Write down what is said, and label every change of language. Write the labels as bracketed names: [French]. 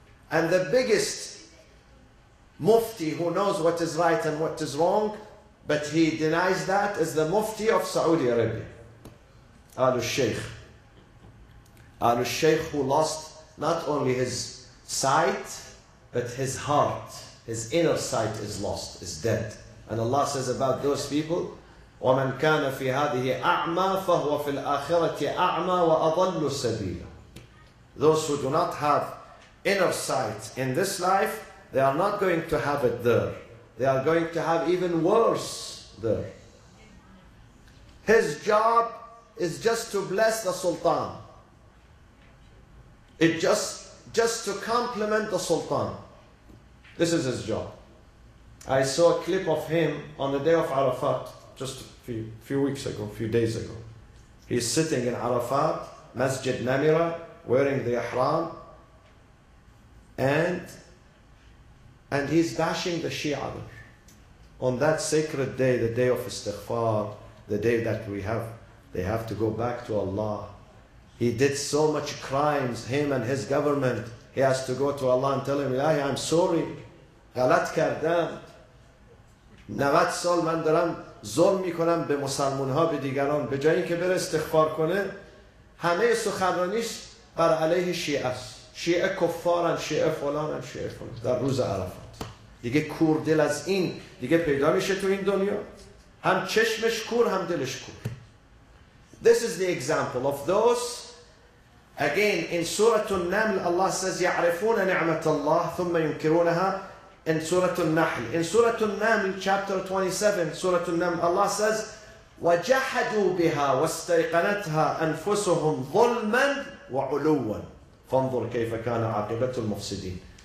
[English] And the biggest mufti who knows what is right and what is wrong, but he denies that, is the mufti of Saudi Arabia. Al-Sheikh. Al-Sheikh who lost not only his sight, but his heart, his inner sight is lost, is dead. [Arabic] And Allah says about those people, وَمَنْ كَانَ فِي هَذِهِ أَعْمَى فَهُوَ فِي الْآخِرَةِ أَعْمَى وَأَضَلُّ سَبِيلًا. [English] Those who do not have inner sight in this life, they are not going to have it there. They are going to have even worse there. His job is just to bless the Sultan. It just to compliment the Sultan. This is his job. I saw a clip of him on the day of Arafat, just a few days ago. He's sitting in Arafat, Masjid Namira, wearing the ihram, and he's bashing the Shia there. On that sacred day, the day of istighfar, the day that they have to go back to Allah. He did so much crimes, him and his government. He has to go to Allah and tell him, Ilahi, I'm sorry. [Persian] غلط کردم. نوت سال من دارم ظلم میکنم به مسلمون ها به دیگران. به جایی که بره استغفار کنه، همه سخنرانیش بر علیه شیعه است. شیعه کفارن، شیعه فلانن، شیعه فلان. در روز عرفات. دیگه کور دل از این دیگه پیدا میشه تو این دنیا؟ هم چشمش کور هم دلش کور. [English] This is the example of those. Again, in Surah An-Naml, Allah says, [Arabic] يَعْرِفُونَ نِعْمَةَ اللَّهِ ثُمَّ يُنْكِرُونَهَا. [English] In Surah An-Nahl, in Surah An-Naml, chapter 27, Surah An-Naml, Allah says, [Arabic] وَجَحَدُوا بِهَا وَاسْتَيْقَنَتْهَا أَنفُسُهُمْ ظُلْمًا وَعُلُوًا فَانْظُرْ كَيْفَ كَانَ عَاقِبَةُ الْمُفْسِدِينَ.